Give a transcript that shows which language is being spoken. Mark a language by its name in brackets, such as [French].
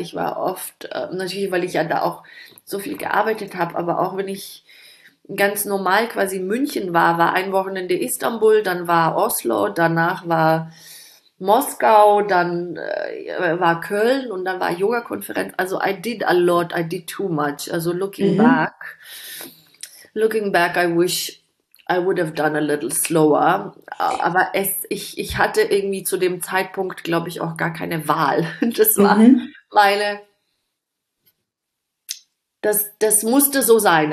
[German] Ich war oft, natürlich, weil ich ja da auch so viel gearbeitet habe, aber auch wenn ich ganz normal quasi München war, war ein Wochenende Istanbul, dann war Oslo, danach war Moskau, dann war Köln und dann war Yoga-Konferenz. [English] Also I did a lot, I did too much. Also looking back, I wish I would have done a little slower, [German] aber ich hatte irgendwie zu dem Zeitpunkt, glaube ich, auch gar keine Wahl. Das war meine, das musste so sein.